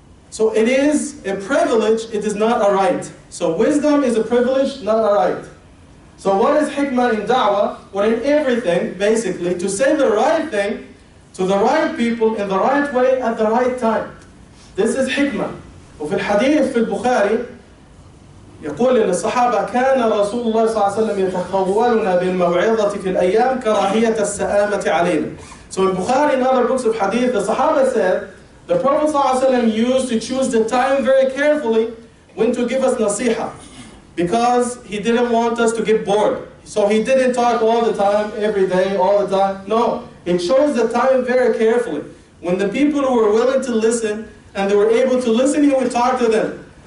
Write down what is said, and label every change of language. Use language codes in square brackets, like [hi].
[en] So it is a privilege, it is not a right. So wisdom is a privilege, not a right. So what is hikmah in da'wah? Well, in everything, basically, to say the right thing to the right people in the right way at the right time. This is hikmah. [ar] وفي الحديث في البخاري يقول للصحابة كان رسول الله صلى الله عليه وسلم يتخولنا بالموعظة في الأيام كراهية السآمة علينا. [en] So in Bukhari, in other books of hadith, the Sahaba said, the Prophet صلى الله عليه وسلم used to choose the time very carefully when to give us nasiha, because he didn't want us to get bored. So he didn't talk all the time, every day, all the time. No, he chose the time very carefully. When the people were willing to listen, and they were able to listen, he would talk to them.